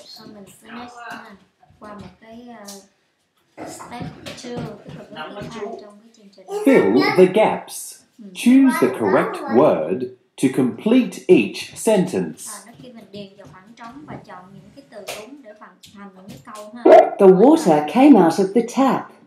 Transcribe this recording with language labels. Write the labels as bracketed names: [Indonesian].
[Vietnamese] So mình sẽ next qua một cái step 2, trong cái chương trình. [English] Fill the gaps. Choose the correct word to complete each sentence. [Vietnamese] Nó kêu mình điền vào khoảng trống và chọn những cái từ đúng để hoàn thành những cái câu ha. [English] The water came out of the tap.